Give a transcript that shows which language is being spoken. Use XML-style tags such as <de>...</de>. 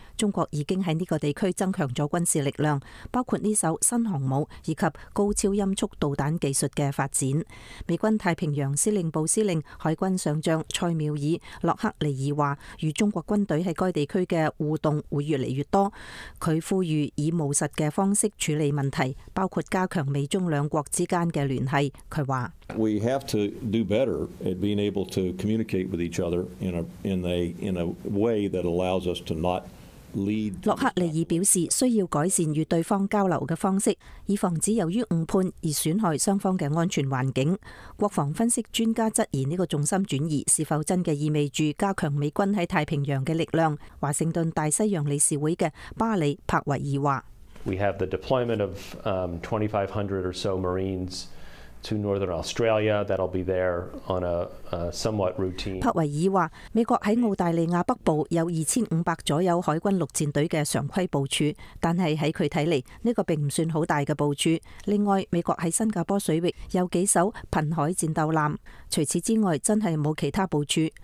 <zh>中国已经在这个地区增强了军事力量，包括这艘新航母以及高超音速导弹技术的发展。美军太平洋司令部司令海军上将蔡妙尔·洛克尼尔说，与中国军队在该地区的互动会越来越多，他呼吁以务实的方式处理问题，包括加强美中两国之间的联系。他说，</zh> <en>We have to do better at being able to communicate with each other in a way that allows us to not lead。</en> <zh>洛克尼尔表示，需要改善与对方交流的方式，以防止由于误判而损害双方的安全环境。国防分析专家质疑这个重心转移是否真的意味着加强美军在太平洋的力量。华盛顿大西洋理事会的巴里·帕维尔说，</zh> <en>We have the deployment of 2,500 or so Marines to Northern Australia, that'll be there on a somewhat routine.</en> <zh>帕维尔说，美国在澳大利亚北部有2500左右海军陆战队的常规部署，但是在他看来，这个并不算很大的部署。另外，美国在新加坡水域有几艘近海战斗舰，除此之外真是没有其他部署。</zh>